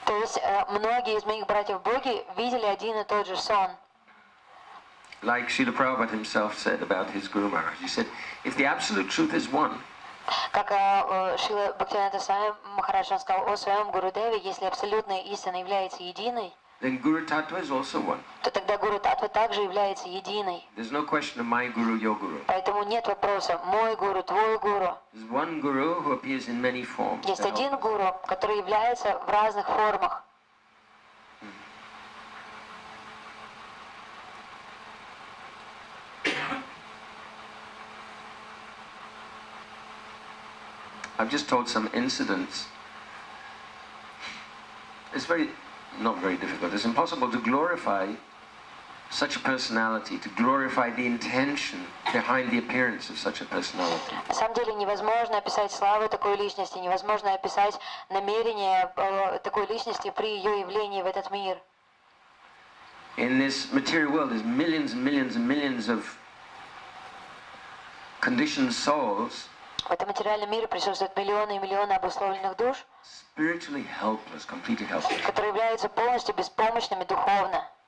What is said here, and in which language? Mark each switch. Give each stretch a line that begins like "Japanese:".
Russian: То есть многие из моих братьев боги видели один и тот же сон.
English: Like Srila Prabhupada himself said about his Guru Maharaj, he said, "If the absolute truth is one."
Russian: Как Шрила Бхактивинода Свами Махарадж сказал о своем Гурудеве, если абсолютная истина является единой,
English: then Guru Tattva is also one.
Russian: То тогда Гуру Таттва также является единой.
English: There's no question of my guru, your guru.
Russian: Поэтому нет вопроса, мой Гуру, твой Гуру.
English: There's one guru who appears in many forms.
Russian: Есть один Гуру, который является в разных формах.
English: I've just told some incidents. It's very, not very difficult. It's impossible to glorify such a personality, to glorify the intention behind the appearance of such a personality.
Russian: На самом деле невозможно описать славу такой личности, невозможно описать намерение такой личности при ее явлении в этот мир.
English: In this material world, there's millions and millions and millions of conditioned souls.
Russian: В этом материальном мире присутствуют миллионы и миллионы обусловленных душ,
English: spiritually helpless, completely helpless.
Russian: Которые являются полностью беспомощными духовно.